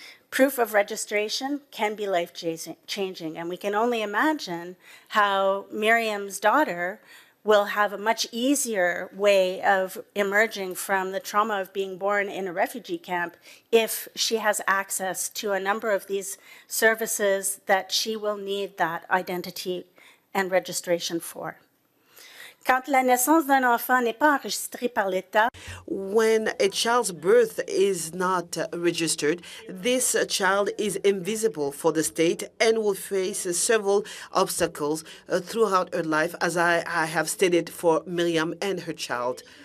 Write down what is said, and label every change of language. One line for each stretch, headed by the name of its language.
English: Proof of registration can be life-changing, and we can only imagine how Miriam's daughter will have a much easier way of emerging from the trauma of being born in a refugee camp if she has access to a number of these services that she will need that identity and registration for.
French: Quand la naissance d'un enfant n'est pas enregistrée par l'État,
English: when a child's birth is not registered, this child is invisible for the state and will face several obstacles throughout her life, as I have stated for Miriam and her child.